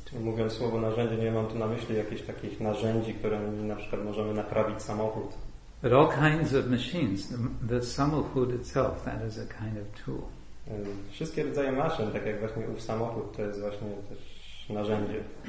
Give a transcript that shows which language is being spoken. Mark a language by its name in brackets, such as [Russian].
[Polish] Mówiąc słowo narzędzie, nie mam tu na myśli jakichś takich narzędzi, którymi na przykład możemy naprawić samochód. [English] But all kinds of machines, the samochód itself, that is a kind of tool. [Polish] Wszystkie rodzaje maszyn, tak jak właśnie ów samochód, to jest właśnie też narzędzie.